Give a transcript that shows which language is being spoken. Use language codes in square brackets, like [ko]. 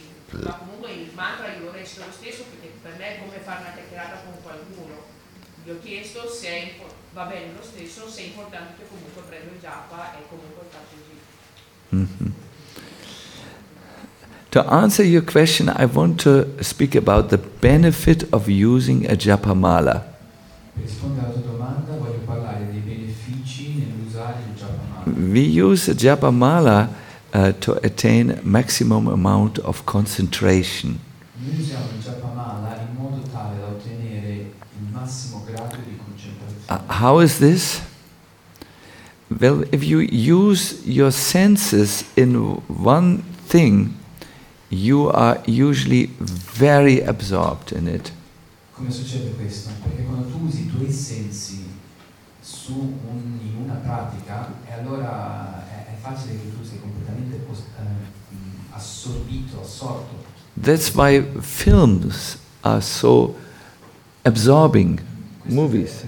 [it] Ma comunque il mantra io recito lo stesso, perché per me è come fare una chiacchierata con qualcuno. Gli ho chiesto se è va bene lo stesso, se è importante che comunque prendo il japa e comunque faccio il giro. [en] To answer your question, I want to speak about the benefit of using a japa mala. [it] Per rispondere alla tua domanda, voglio parlare dei benefici nell'usare il japa mala. [en] We use a japa mala to attain maximum amount of concentration. [it] Noi usiamo il japa mala in modo tale da ottenere il massimo grado di concentrazione. [en] How is this? Well, if you use your senses in one thing, you are usually very absorbed in it. [it] Come succede questo? Perché quando tu usi i tuoi sensi su una pratica, e allora è facile che tu sei completamente assorbito, assorto. [en] That's why films are so absorbing, movies.